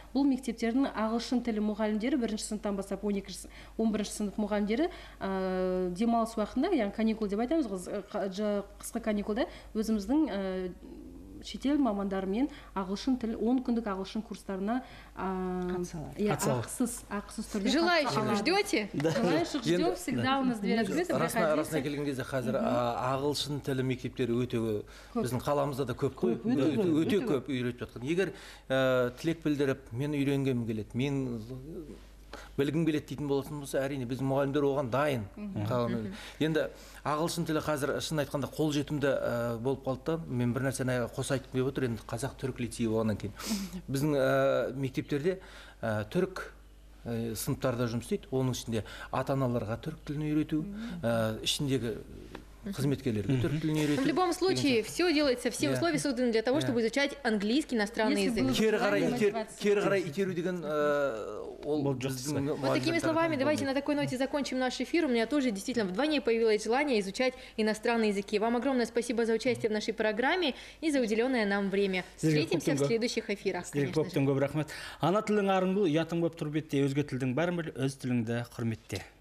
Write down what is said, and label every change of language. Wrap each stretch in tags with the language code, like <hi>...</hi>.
<kk>Бұл мектептердің ағылшын тілі мұғалімдері 1 сыныптан бастап 11 сынып мұғалімдері демалыс уақытында, яғни каникул деп айтамыз, қысқы каникулда өзіміз біздің шетел мамандарымен ағылшын тіл 10 күндік ағылшын курстарына ақысыз түрде.</kk> <ru>Желающих ждете? Желающих ждем, всегда у нас дверь открыта.</ru> <kk>Расына келген кезде қазір ағылшын тілі мектептері өте біздің қаламызда да көп қой, өте көп үйретіп жатқан. Егер тілек білдіріп, мен үйренгім келеді, мен білгім келеді дейтін болатын болса, әрине біз мұғалімдер оған дайын. Енді ағылшын тілі қазір шын айтқанда қол жетімді болып қалды. Мен бір нәрсені қоса айтып беріп отыр, енді қазақ түрік лицейі болғаннан кейін біздің мектептерде түрік сыныптарда жұмыс істейді, оның ішінде ата аналарға түрік тілін үйрету, ішіндегі қызметкерлерге түрік тілін үйрету.</kk> <ru>В любом случае все делается, все условия созданы для того, чтобы изучать английский иностранный язык.</ru> <kk>Кері қарай итеру деген</kk> <ru>вот такими словами давайте на такой ноте закончим наш эфир. У меня тоже действительно вдвойне появилось желание изучать иностранные языки. Вам огромное спасибо за участие в нашей программе и за уделенное нам время. Встретимся в следующих эфирах.</ru> <kk>Ана тілің арын бұл, ұятың боп тұр бетте, өзге тілдің бәрін біл, өз тіліңді құрметте.</kk>